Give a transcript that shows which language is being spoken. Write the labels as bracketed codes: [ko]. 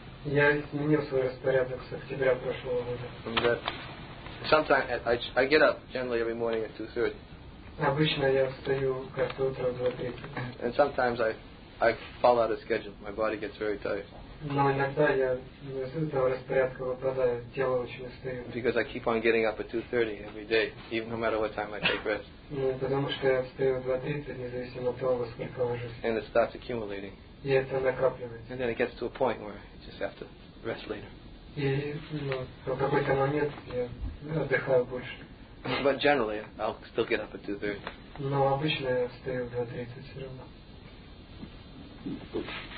[ru] Я изменил свой распорядок с октября прошлого года. [en] Sometimes I get up generally every morning at 2:30. [ru] Обычно я встаю каждое утро в 2:30. [en] And sometimes I fall out of schedule. My body gets very tired. [ru] Но иногда я из этого распорядка выпадаю, тело очень устает. [en] Because I keep on getting up at 2:30 every day, even no matter what time I take rest. [ru] Ну, потому что я встаю в 2:30, независимо от того, сколько ложусь. [en] And it starts accumulating. [ru] И это накапливается. [en] And then it gets to a point where you just have to rest later. [ru] И, ну, в какой-то момент я отдыхаю больше. [en] But generally, I'll still get up at 2:30. [ru] Но обычно я встаю в 2:30 все равно. [en] Oops.